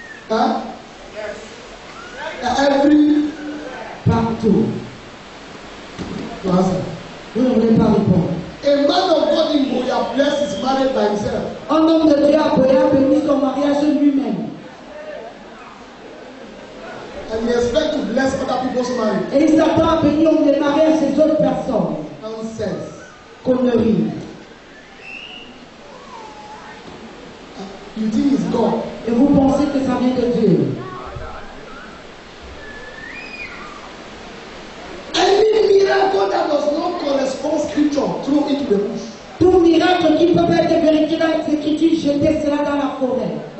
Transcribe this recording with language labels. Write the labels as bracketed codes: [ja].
[en] Hein? Yes. Every. [fr] Partout. Quoi? Vous ne voulez pas répondre. [en] A man of God in Boya Bless is married by himself. [fr] Un homme de Dieu a Boya a béni son mariage lui-même. [en] And he expects to bless other people's marriage. [fr] Et il s'attend à bénir au démarrage des autres personnes. [en] Nonsense. [fr] Connerie. [en] You think it's God? [fr] Et vous pensez que ça vient de Dieu? [en] Any miracle that does not correspond scripture, throw it to the bush. [fr] Tout miracle qui peut être vérifié dans les écritures, jetez cela dans la forêt.